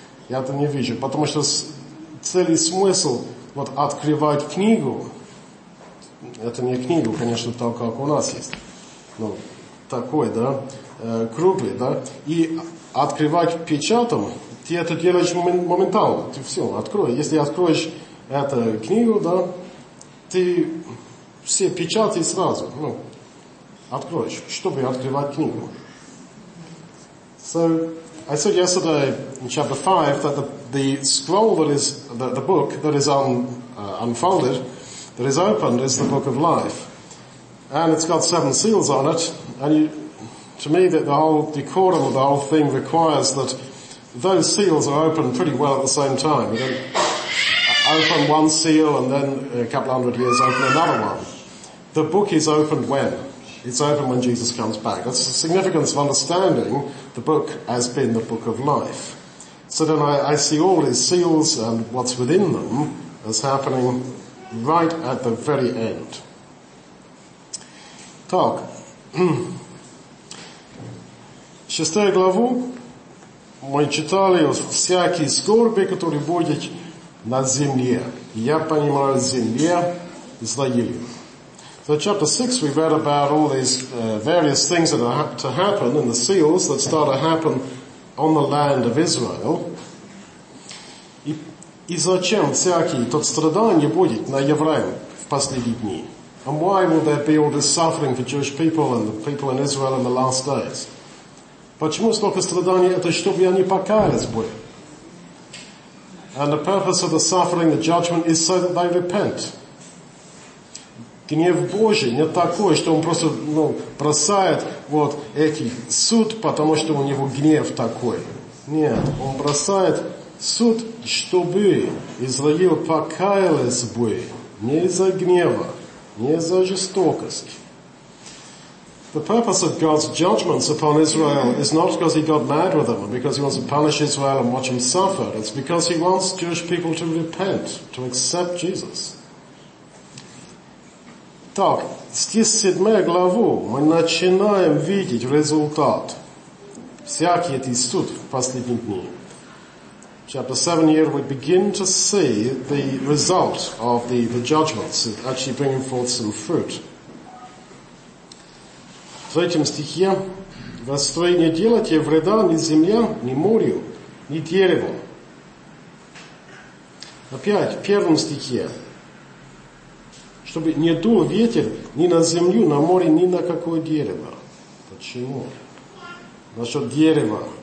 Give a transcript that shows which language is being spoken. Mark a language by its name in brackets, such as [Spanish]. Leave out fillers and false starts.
[Russian] Я это не вижу, потому что цель и смысл вот открывать книгу, это не книгу, конечно, так, как у нас есть, но такой, да, круглый, да, и открывать печатом, ты это делаешь моментально, ты все, открой. Если откроешь эту книгу, да, ты все печати сразу, ну, откроешь, чтобы открывать книгу. [English] So, I said yesterday in chapter 5 that the scroll that is, the book that is unfolded, that is opened, is the book of life. And it's got seven seals on it. And to me, the whole decorum of the whole thing requires that those seals are opened pretty well at the same time. You don't open one seal and then a couple hundred years open another one. The book is opened when? It's open when Jesus comes back. That's the significance of understanding the book as being the book of life. So then I see all these seals and what's within them as happening right at the very end. [Russian] Так. Шестую главу мы читали о всякой скорби, которая будет на земле. Я понимаю, земля Израиля. [English] So chapter 6, we read about all these various things that are to happen and the seals that start to happen on the land of Israel. [Russian] И зачем всякий тот страдание будет на евреям в последние дни? [English] And why will there be all this suffering for Jewish people and the people in Israel in the last days? [Russian] Почему столько страданий? Это чтобы я не покаялся бы. [English] And the purpose of the suffering, the judgment, is so that they repent. [Russian] Гнев Божий не такой, что он просто бросает вот этих суд, потому что у него гнев такой. Нет, он бросает суд, чтобы Израил покаялся бы не из-за гнева, не из-за жестокости. [English] The purpose of God's judgments upon Israel is not because he got mad with them or because he wants to punish Israel and watch him suffer. It's because he wants Jewish people to repent, to accept Jesus. [Russian] Так, стих 7 главу мы начинаем видеть результат. Всякий этот суд в последние дни. [English] Chapter 7 here we begin to see the result of the judgments actually bringing forth some fruit. [Russian] В третьем стихе: «Вас трое не делайте вреда ни земле, ни морю, ни дереву». Опять, в первом стихе: «Чтобы не дул ветер ни на землю, на море, ни на какое дерево». Почему? Насчет дерева.